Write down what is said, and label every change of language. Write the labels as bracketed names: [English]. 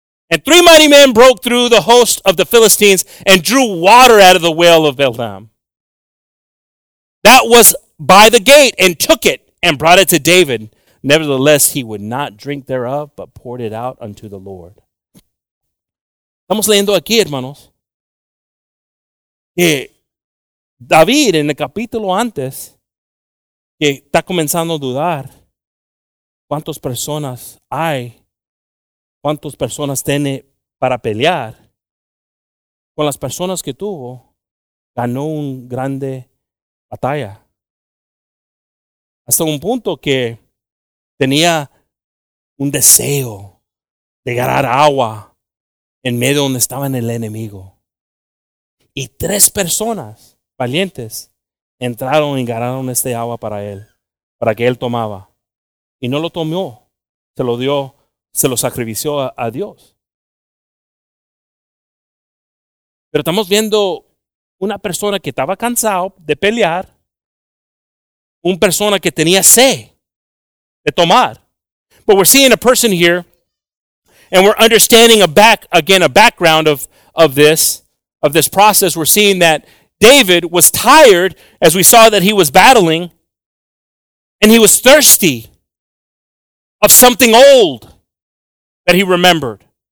[English] And 3 mighty men broke through the host of the Philistines and drew water out of the well of Bethlehem. That was by the gate, and took it and brought it to David. Nevertheless, he would not drink thereof, but poured it out unto the Lord. [Spanish] Estamos leyendo aquí, hermanos. Que David en el capítulo antes que está comenzando a dudar cuántas personas tiene para pelear con las personas que tuvo, ganó una grande batalla hasta un punto que tenía un deseo de agarrar agua en medio donde estaba el enemigo. Y 3 personas valientes entraron y ganaron este agua para él, para que él tomaba. Y no lo tomó, se lo dio, se lo sacrificó a Dios. Pero estamos viendo una persona que estaba cansado de pelear, una persona que tenía sed de tomar. [English] But we're seeing a person here, and we're understanding a background of this process. We're seeing that David was tired, as we saw that he was battling, and he was thirsty of something old that he remembered.